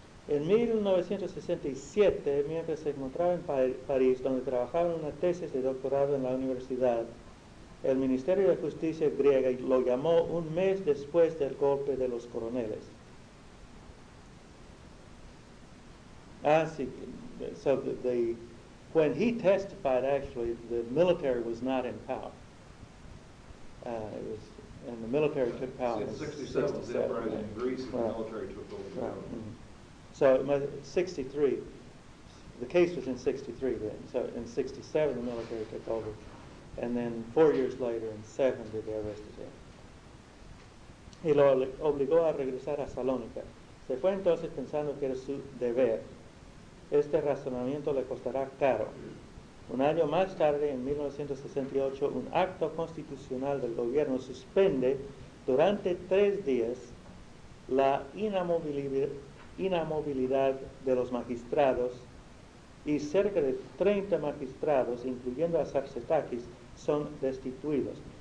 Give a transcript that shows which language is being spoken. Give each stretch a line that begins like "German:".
Spanish: En 1967, mientras se encontraba en París, donde trabajaba en una tesis de doctorado en la universidad, el Ministerio de Justicia griega lo llamó un mes después del golpe de los coroneles. Ah, sí.
English: So when he testified, actually, the military was not in power. And the military took power in 67. The uprising in Greece, and the military took over the government. Mm-hmm. So in 63, the case was in 63 then. So in 67, the military took over. And then 4 years later, in 70, they arrested him.
Spanish: Y lo obligó a regresar a Salónica. Se fue entonces pensando que era su deber. Este razonamiento le costará caro. Un año más tarde, en 1968, un acto constitucional del gobierno suspende durante 3 días la inamovilidad de los magistrados, y cerca de 30 magistrados, incluyendo a Sarsetakis, son destituidos.